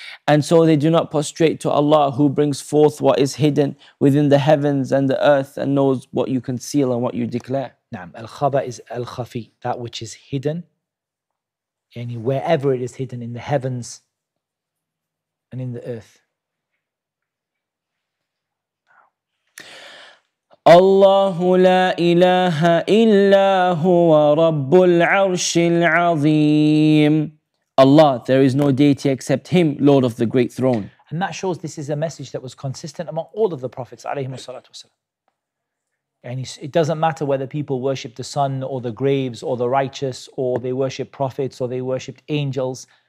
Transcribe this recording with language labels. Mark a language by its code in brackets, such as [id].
[en] And so they do not prostrate to Allah, who brings forth what is hidden within the heavens and the earth, and knows what you conceal and what you declare. نعم, الْخَبَأ is الْخَفِي, that which is hidden, يعني wherever it is hidden, in the heavens and in the earth. [ar] الله لا إله إلا هو رب العرش العظيم. [en] Allah, there is no deity except Him, Lord of the Great Throne. And that shows this is a message that was consistent among all of the Prophets, alayhi salatu wasalam. And it doesn't matter whether people worship the sun or the graves or the righteous or they worship prophets or they worshiped angels.